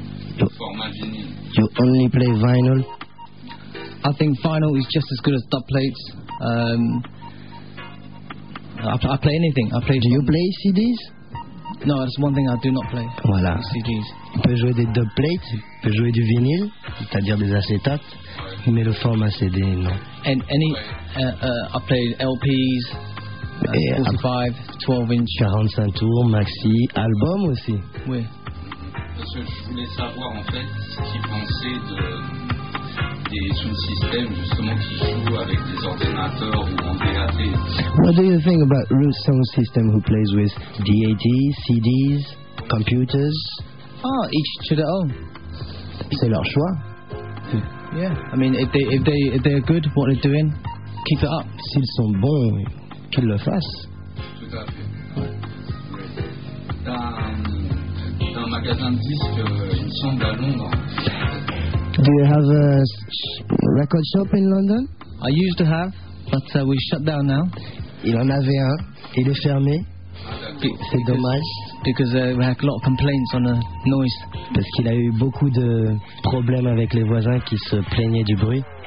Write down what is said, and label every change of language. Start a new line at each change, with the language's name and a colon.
French: Tu joues uniquement en vinyle roasting, format vinyle.
English: You only play vinyl? I think vinyl is just as good as dub plates. I play anything. I play. Do you play CDs? No, that's one thing I do not play.
French: Voilà. CDs. On peut jouer des dub plates, on peut jouer du vinyle, c'est-à-dire des acétates, ouais. Mais le format CD, non.
English: And any, ouais. I play LPs. 45, 12 inch.
French: 45 tours, maxi, album aussi. Oui. Parce que je voulais savoir en fait ce qu'ils pensaient de, des sous-systèmes justement qui jouent avec des ordinateurs ou en DAT.
English: What do you think about Root Sound System who plays with DAT, CDs, computers? Ah, each to their own.
French: C'est leur choix.
English: Yeah, I mean if they are good, what they're doing, keep it up.
French: S'ils sont bons, oui. Qu'il le fasse. Tout à fait. Dans un magasin de disques, il me semble à Londres.
English: Do you have a record shop in London? I used to have, but we shut down now.
French: Il en avait un, il est fermé. C'est dommage.
English: Because we had a lot of complaints on the noise.
French: Parce qu'il a eu beaucoup de problèmes avec les voisins qui se plaignaient du bruit.